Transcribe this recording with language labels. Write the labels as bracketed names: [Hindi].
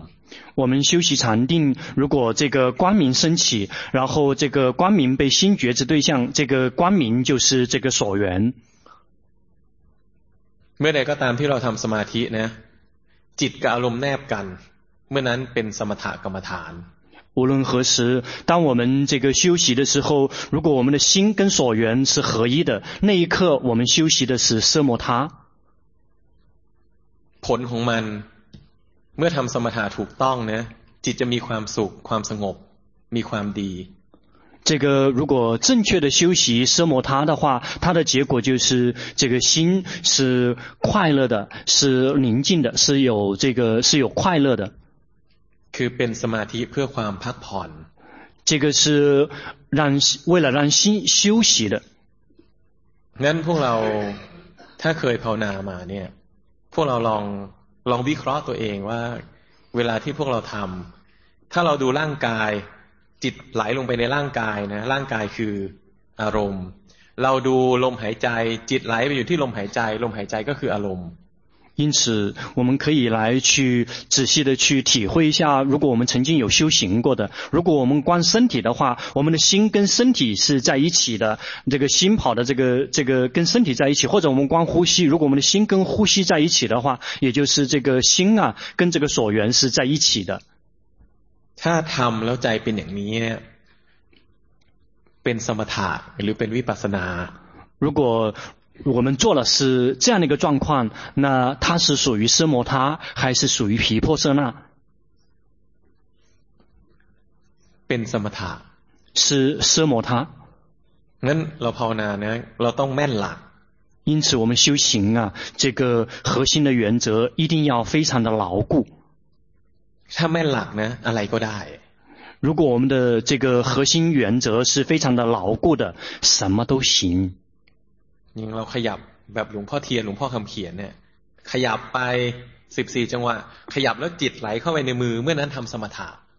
[Chinese] 我们修习禅定如果这个光明升起然后这个光明被心觉知对象这个光明就是这个所缘 [Thai] เมื่อใดก็ตามที่เราทำสมาธินะจิตกับอารมณ์แนบกันเมื่อนั้นเป็นสมถกรรมฐาน [Chinese] 无论何时当我们这个修习的时候如果我们的心跟所缘是合一的那一刻我们修习的是奢摩他 [Thai] ผลของมันเมื่อทำสมถะถูกต้องนะจิตจะมีความสุขความสงบมีความดี [Chinese] 这个如果正确的修习奢摩他的话，它的结果就是这个心是快乐的，是宁静的，是有这个是有快乐的。 [Thai] คือเป็นสมาธิเพื่อความพักผ่อน。 [Chinese] 这个是让为了让心休息的。 [Thai] งั้นพวกเราถ้าเคยภาวนามาเนี่ย，พวกเราลองวิเคราะห์ตัวเองว่าเวลาที่พวกเราทำถ้าเราดูร่างกายจิตไหลลงไปในร่างกายนะร่างกายคืออารมณ์เราดูลมหายใจจิตไหลไปอยู่ที่ลมหายใจลมหายใจก็คืออารมณ์ [Chinese] 因此我们可以来去仔细的去体会一下，如果我们曾经有修行过的，如果我们观身体的话，我们的心跟身体是在一起的，这个心跑的这个跟身体在一起，或者我们观呼吸，如果我们的心跟呼吸在一起的话，也就是这个心啊跟这个所缘是在一起的。 [Thai] ถ้าทำแล้วใจเป็นอย่างนี้เป็นสมถะหรือเป็นวิปัสสนา [Chinese] 如果我们做了是这样的一个状况，那它是属于奢摩他还是属于毗婆舍那？变什么他？是奢摩他。那老婆呢？呢，老当慢了。因此，我们修行啊，这个核心的原则一定要非常的牢固。他慢了呢，阿来个大爷。如果我们的这个核心原则是非常的牢固的，什么都行。 [Thai] ยังเราขยับแบบหลวงพ่อเทียนหลวงพ่อคำเขียนเนี่ยขยับไป14จังหวะขยับแล้วจิตไหลเข้าไปในมือเมื่อนั้นทำสมถะ